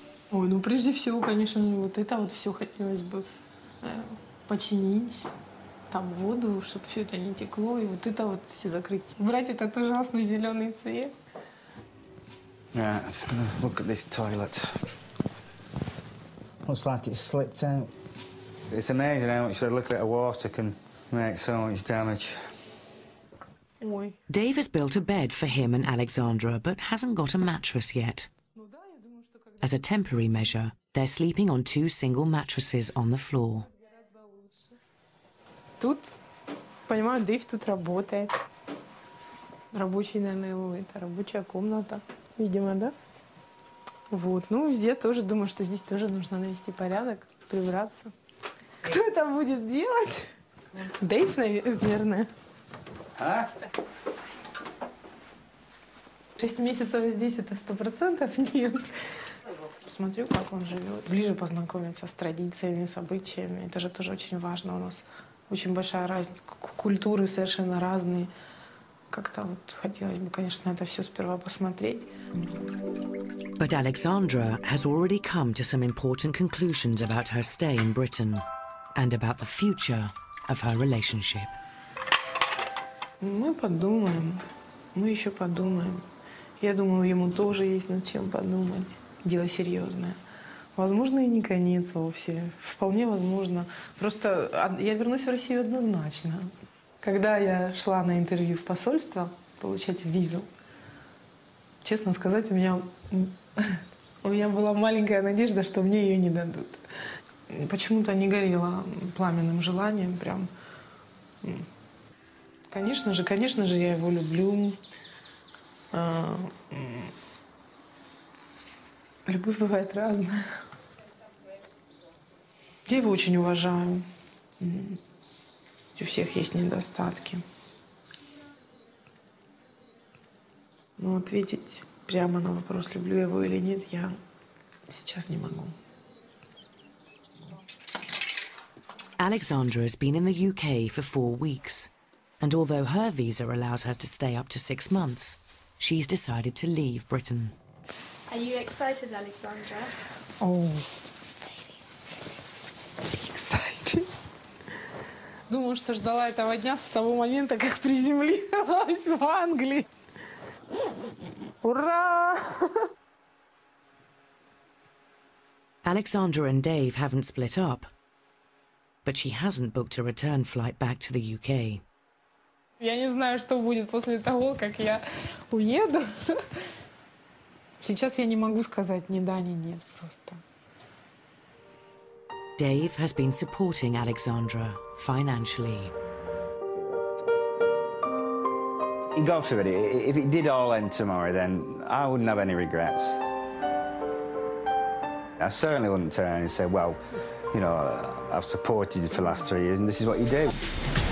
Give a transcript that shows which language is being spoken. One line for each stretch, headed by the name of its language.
Russian: Ой, ну прежде всего, конечно, вот это вот все хотелось бы починить. Там воду, чтобы все это не текло, и вот это вот все закрыть. Убрать этот ужасный зеленый цвет.
English: Yeah, I'm gonna look at this toilet. Looks like it's slipped out. It's amazing how much a little bit of water can make so much damage. Dave has built a bed for him and Alexandra, but hasn't got a mattress yet. As a temporary measure, they're sleeping on two single mattresses on the floor.
Russian: Тут, понимаю, Дэйв тут работает. Рабочий, наверное, его, это рабочая комната, видимо, да? Вот, ну, везде тоже думаю, что здесь тоже нужно навести порядок, прибраться. Кто это будет делать? Дэйв, наверное. А? 6 месяцев здесь это 100% нет. Посмотрю, как он живет. Ближе познакомиться с традициями, с обычаями. Это же тоже очень важно. У нас очень большая разница. Культуры совершенно разные. Как-то вот хотелось бы, конечно, это все сперва посмотреть.
English: But Alexandra has already come to some important conclusions about her stay in Britain and about the future of her relationship.
Russian: Мы подумаем, мы еще подумаем. Я думаю, ему тоже есть над чем подумать. Дело серьезное. Возможно, и не конец вовсе. Вполне возможно. Просто я вернусь в Россию однозначно. Когда я шла на интервью в посольство получать визу, честно сказать, у меня была маленькая надежда, что мне ее не дадут. Почему-то не горело пламенным желанием прям. Конечно же, я его люблю. Любовь бывает разная. Я его очень уважаю. У всех есть недостатки. Но ответить прямо на вопрос, люблю я его или нет, я сейчас не могу.
English: Alexandra has been in the UK for 4 weeks. And although her visa allows her to stay up to 6 months, she's decided to leave Britain. Are you excited, Alexandra? Oh, really excited.
Russian: Думаю, что ждала этого дня с того момента, как приземлилась в Англии. Ура!
English: Alexandra and Dave haven't split up, but she hasn't booked a return flight back to the UK.
Russian: Я не знаю, что будет после того, как я уеду. Сейчас я не могу сказать ни да, ни нет просто.
English: Dave has been supporting Alexandra financially. God forbid, if it did all end tomorrow, then I wouldn't have any regrets. I certainly wouldn't turn and say, well, you know, I've supported you for the last 3 years and this is what you do.